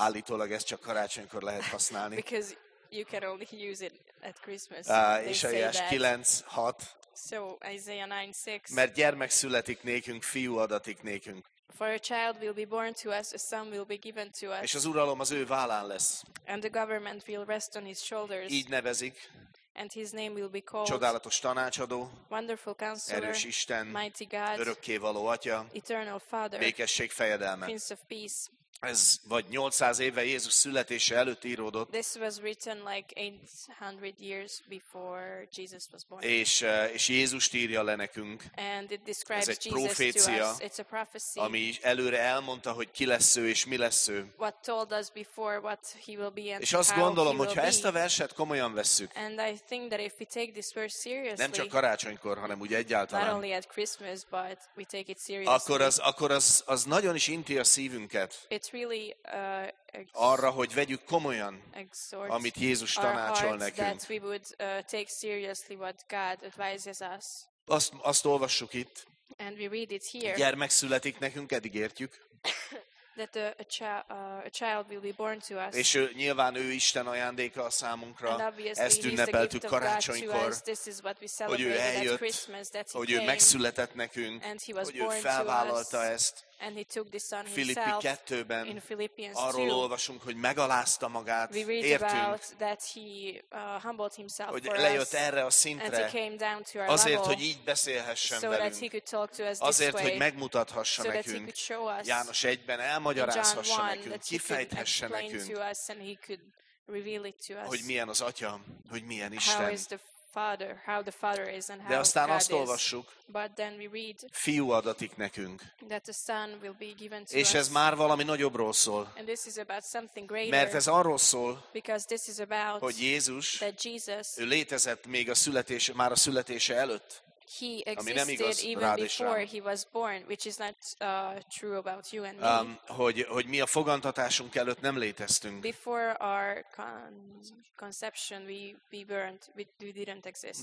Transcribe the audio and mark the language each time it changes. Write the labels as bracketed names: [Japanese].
[Hungarian] Állítólag ezt csak karácsonykor lehet használni. [English] Because you can only use it at Christmas. [Hungarian] Ézsaiás 9:6. [English] So Isaiah 9:6. [Hungarian] Mert gyermek születik nékünk, fiú adatik nékünk. [English] For a child will be born to us, a son will be given to us. [Hungarian] És az uralom az ő vállán lesz. [English] And the government will rest on his shoulders. [Hungarian] Így nevezik. [English] And his name will be called [Hungarian] csodálatos tanácsadó, [English] wonderful counselor, [Hungarian] erős Isten, [English] mighty God, [Hungarian] örökkévaló atya, [English] eternal father, [Hungarian] békesség fejedelme, [English] prince of peace. [Hungarian] Ez vagy 800 éve Jézus születése előtt íródott. [English] This was written like 800 years before Jesus was born. [Hungarian] És Jézust írja le nekünk. [English] And it describes [Hungarian] ez egy profécia, [English] Jesus to us. It's a prophecy. [Hungarian] Ami előre elmondta, hogy ki lesz ő és mi lesz ő. [English] What told us before what he will be and [Hungarian] és azt gondolom, hogyha ezt a verset [English] be. [Hungarian] Komolyan vesszük. [English] And I think that if we take this verse seriously. [Hungarian] Nem csak karácsonykor, hanem úgy egyáltalán. [English] Not only at Christmas, but we take it seriously. [Hungarian] Akkor az nagyon is inti a szívünket. [English] It's really [Hungarian] arra, hogy vegyük komolyan, amit Jézus tanácsol nekünk. [English] That we would take seriously what God advises us. [Hungarian] Azt olvassuk itt. [English] And we read it here. [Hungarian] Gyermek születik nekünk, eddig értjük. [English] That a child will be born to us. [Hungarian] És nyilván ő Isten ajándéka a számunkra. [English] And obviously, [Hungarian] ezt ünnepeltük karácsonykor, [English] this is what we [Hungarian] hogy ő eljött, [English] that [Hungarian] hogy [English] came, [Hungarian] ő megszületett nekünk, [English] and he was [Hungarian] hogy [English] born [Hungarian] ő felvállalta [English] to us, [Hungarian] ezt. [English] And he took this on [Hungarian] Filippi [English] himself. [Hungarian] 2-ben [English] in Philippians 2, [Hungarian] arról olvasunk, hogy megalázta magát, [English] we read [Hungarian] értünk, [English] about that he humbled himself [Hungarian] hogy [English] for [Hungarian] lejött erre a szintre, azért, [English] level, [Hungarian] hogy így beszélhessen [English] so [Hungarian] velünk, [English] that he could talk to us [Hungarian] azért, [English] way, [Hungarian] hogy megmutathassa [English] so [Hungarian] nekünk, [English] that he could show us, [Hungarian] János 1-ben elmagyarázhassa nekünk, [English] that [Hungarian] kifejthesse nekünk, [English] to us and he could reveal it to us, [Hungarian] hogy milyen az Atya, hogy milyen Isten. [English] How is the father, how the father is and how [Hungarian] de aztán [English] God [Hungarian] azt olvassuk, [English] but then we read, [Hungarian] fiú adatik nekünk. [English] That the son will be given to [Hungarian] és ez [English] us. [Hungarian] Már valami nagyobbról szól. [English] And this is about something greater, [Hungarian] mert ez arról szól, [English] because this is about [Hungarian] hogy Jézus, [English] that Jesus, [Hungarian] ő létezett még a születés, már a születése előtt. [English] He existed even before he was born, which is not true about you and me. [Hungarian] Hogy mi a fogantatásunk előtt nem léteztünk. [English] Before our conception we weren't, we didn't exist.